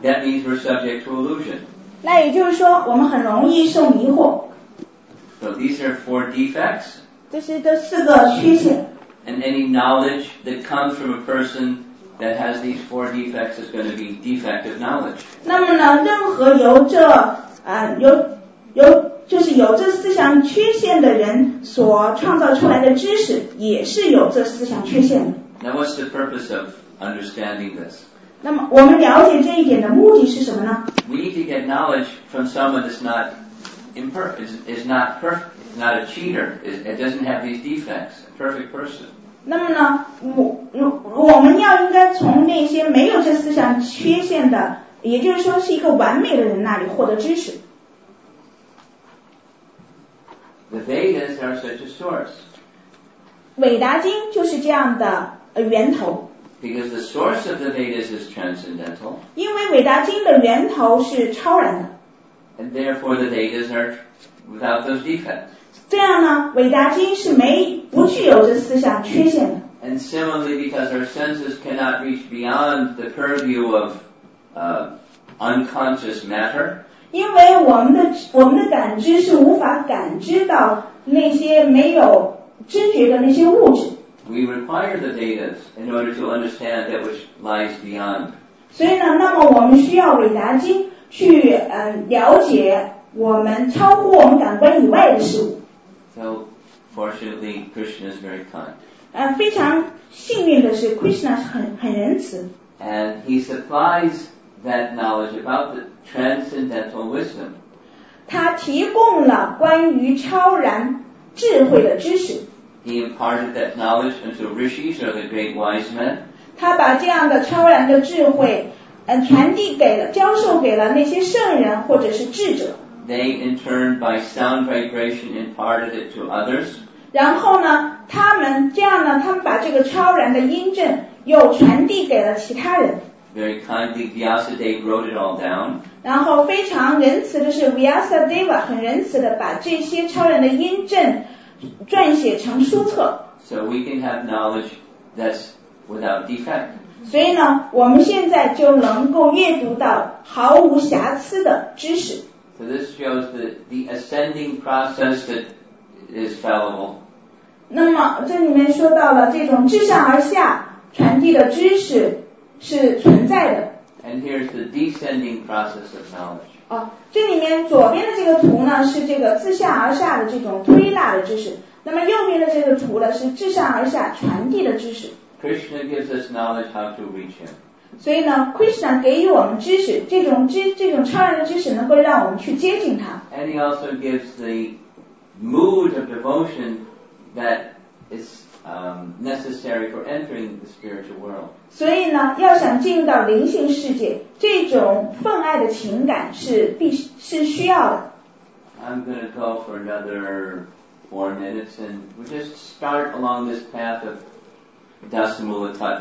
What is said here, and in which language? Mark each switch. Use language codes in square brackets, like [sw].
[en] So, that means we're subject to illusion. [zh] 那也就是说，我们很容易受迷惑。 [en] So these are four defects. [zh] 这是这四个缺陷。 [en] And any knowledge that comes from a person that has these four defects is going to be defective knowledge. [zh] 那么呢，任何由这就是有这四项缺陷的人所创造出来的知识，也是有这四项缺陷的。 [en] Now what's the purpose of understanding this? [zh] 那么我们了解这一点的目的是什么呢？ [en] We need to get knowledge from someone that's not imperfect, is not perfect, not a cheater, it doesn't have these defects, a perfect person. [zh] 那么呢，我们要应该从那些没有这思想缺陷的，也就是说是一个完美的人那里获得知识。 [en] The Vedas are such a source. [zh] 伟达经就是这样的源头。 [en] Because the source of the Vedas is transcendental. [zh] 因为伟达经的源头是超然的。 [en] And therefore the Vedas are without those defects. [zh] 这样呢，伟达经是没不具有这思想缺陷的。 [en] And similarly, because our senses cannot reach beyond the purview of unconscious matter. [zh] 因为我们的感知是无法感知到那些没有知觉的那些物质。 [en] We require the Vedas in order to understand that which lies beyond. [zh] 所以呢，那么我们需要伟达经去了解我们超乎我们感官以外的事物。 [en] So fortunately, Krishna is very kind. [zh] 非常幸运的是 ，Krishna 是很仁慈。 [en] And he supplies that knowledge about the transcendental wisdom. [zh] 他提供了关于超然智慧的知识。 [en] He imparted that knowledge unto rishis or the great wise men. [zh] 他把这样的超然的智慧传递给了教授给了那些圣人或者是智者。 [en] They in turn by sound vibration imparted it to others. [zh] 然后呢他们这样呢他们把这个超然的音阵又传递给了其他人。 [en] Very kindly Vyasadeva wrote it all down. [zh] 然后非常仁慈的是 Vyasadeva 很仁慈的把这些超然的音阵撰写成书册。 [en] So we can have knowledge that's without defect. [zh] 所以呢我们现在就能够阅读到毫无瑕疵的知识。 [en] So this shows the ascending process that is fallible. [zh] 那么这里面说到了这种自上而下传递的知识是存在的。 [en] And here's the descending process of knowledge. [zh] 这里面左边的这个图呢是这个自下而下的这种推拉的知识。那么右边的这个图呢是自上而下传递的知识。 [en] Krishna gives us knowledge how to reach him. [zh] 所以呢 ,Krishna 给予我们知识这种超然的知识能够让我们去接近他。 [en] And he also gives the mood of devotion that is necessary for entering the spiritual world. [zh] 所以呢要想进入到灵性世界这种分爱的情感是需要的。 [en] I'm going to go for another 4 minutes and we'll just start along this path of decimal type.